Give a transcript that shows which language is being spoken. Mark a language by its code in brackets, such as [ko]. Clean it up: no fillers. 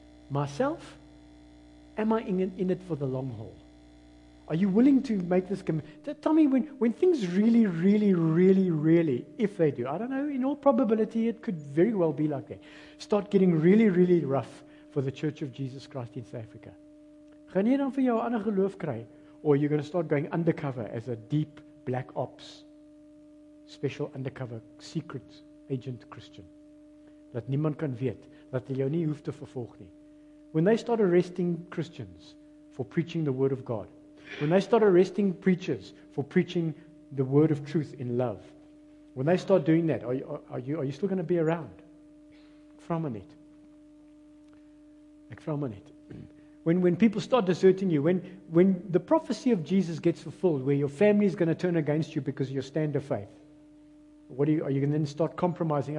[en] Myself, am I in it for the long haul? Are you willing to make this commitment? Tell me when things really, really, really, really, if they do, I don't know, in all probability, it could very well be like that, start getting really, really rough for the Church of Jesus Christ in South Africa. [af] Gaan jy dan vir jou ander geloof kry? [en] Or you're going to start going undercover as a deep black ops, special undercover secret agent Christian. [af] Dat niemand kan weet, dat jy jou nie hoef te vervolg nie. [en] When they start arresting Christians for preaching the word of God, when they start arresting preachers for preaching the word of truth in love, when they start doing that, are you still going to be around? [af] Ek vra my net. [en] When people start deserting you, when the prophecy of Jesus gets fulfilled, where your family is going to turn against you because of your stand of faith, are you going to then start compromising?